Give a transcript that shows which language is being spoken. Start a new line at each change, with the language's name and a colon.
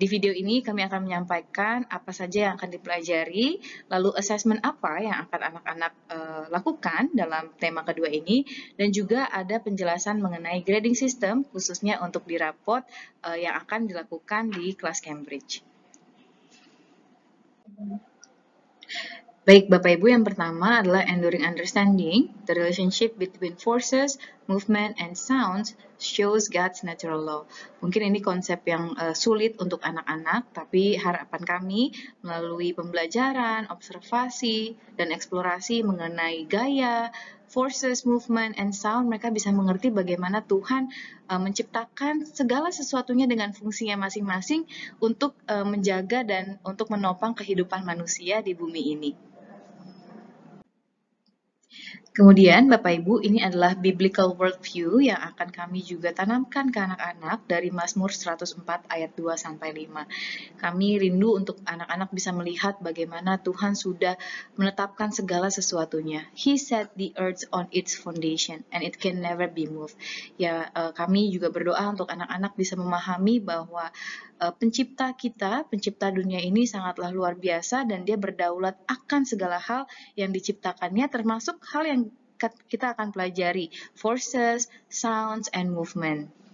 Indonesian: Di video ini kami akan menyampaikan apa saja yang akan dipelajari, lalu assessment apa yang akan anak-anak lakukan dalam tema kedua ini, dan juga ada penjelasan mengenai grading system khususnya untuk di rapot yang akan dilakukan di kelas Cambridge. Baik, Bapak Ibu, yang pertama adalah enduring understanding.
English: The relationship between forces, movement, and sounds shows God's natural law.
Indonesian: Mungkin ini konsep yang sulit untuk anak-anak, tapi harapan kami melalui pembelajaran, observasi, dan eksplorasi mengenai gaya,
English: forces, movement, and sound,
Indonesian: mereka bisa mengerti bagaimana Tuhan menciptakan segala sesuatunya dengan fungsinya masing-masing untuk menjaga dan untuk menopang kehidupan manusia di bumi ini. Kemudian, Bapak Ibu, ini adalah biblical worldview yang akan kami juga tanamkan ke anak-anak dari Mazmur 104 ayat 2 sampai 5. Kami rindu untuk anak-anak bisa melihat bagaimana Tuhan sudah menetapkan segala sesuatunya.
English: He set the earth on its foundation and it can never be moved.
Indonesian: Ya, kami juga berdoa untuk anak-anak bisa memahami bahwa pencipta kita, pencipta dunia ini sangatlah luar biasa dan dia berdaulat akan segala hal yang diciptakannya, termasuk hal yang kita akan pelajari,
English: forces, sounds, and movement.